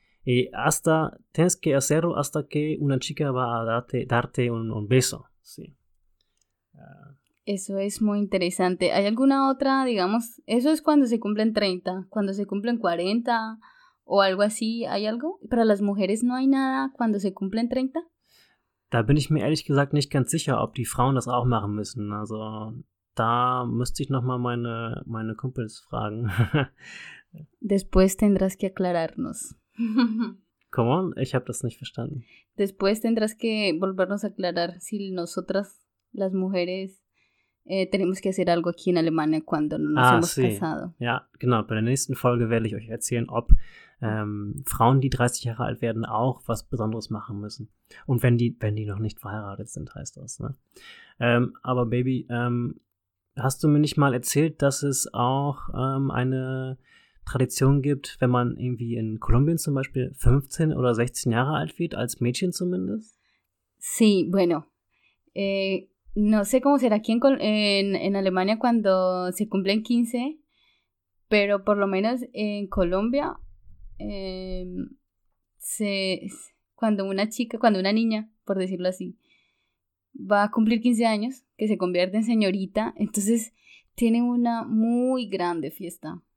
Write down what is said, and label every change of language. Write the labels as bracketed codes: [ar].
[es] Y hasta, tienes que hacerlo hasta que una chica va a darte un beso, sí. Eso es muy interesante. ¿Hay alguna otra, digamos, eso es cuando se cumplen 30, cuando se cumplen 40 o algo así, ¿hay algo? ¿Para las mujeres no hay nada cuando se cumplen 30? [de] Da bin ich mir ehrlich gesagt nicht ganz sicher, ob die Frauen das auch machen müssen, also da müsste ich nochmal meine Kumpels fragen. [es] Después tendrás que aclararnos. [en] Come on, [de] ich habe das nicht verstanden. [es] Después tendrás que volvernos a aclarar si nosotras, las mujeres, tenemos que hacer algo aquí en Alemania cuando nos hemos casado. [de] Ja, genau. Bei der nächsten Folge werde ich euch erzählen, ob Frauen, die 30 Jahre alt werden, auch was Besonderes machen müssen. Und wenn die noch nicht verheiratet sind, heißt das. Ne? Aber Baby, hast du mir nicht mal erzählt, dass es auch eine Tradition gibt, wenn man irgendwie in Kolumbien zum Beispiel 15 oder 16 Jahre alt wird, als Mädchen zumindest? [es] Sí, bueno. No sé cómo será aquí en Alemania cuando se cumplen 15, pero por lo menos en Colombia, cuando una niña, por decirlo así, va a cumplir 15 años, que se convierte en señorita, entonces tiene una muy grande fiesta.